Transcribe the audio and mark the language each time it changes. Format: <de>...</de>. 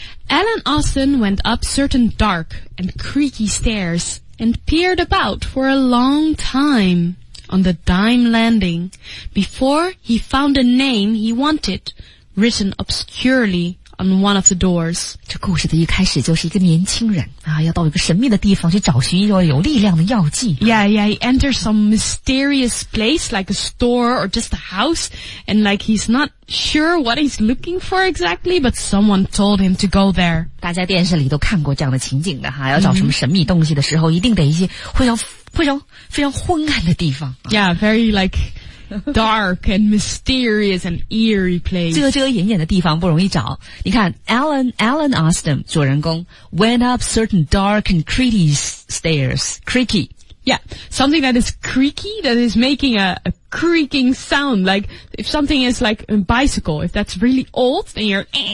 <en>Alan Austin went up certain dark and creaky stairs and peered about for a long time on the dime landing before he found a name he wanted written obscurely on one of the doors.</en> <zh>这故事的一开始就是一个年轻人啊，要到一个神秘的地方去找寻一种有力量的药剂。</zh> <en>Yeah, he enters some mysterious place like a store or just a house, and like he's not sure what he's looking for exactly, but someone told him to go there.</en> <zh>大家电视里都看过这样的情景的哈，要找什么神秘东西的时候，一定得一些非常非常昏暗的地方。</zh> <en>Yeah, very like dark and mysterious and eerie place.</en> <zh>遮遮掩掩的地方不容易找。你看</zh> <en>Alan Austin,</en> <zh>主人公</zh> <en>went up certain dark and creaky stairs. Creaky. Yeah, something that is creaky, that is making a creaking sound. Like if something is like a bicycle, if that's really old, then you're...</en>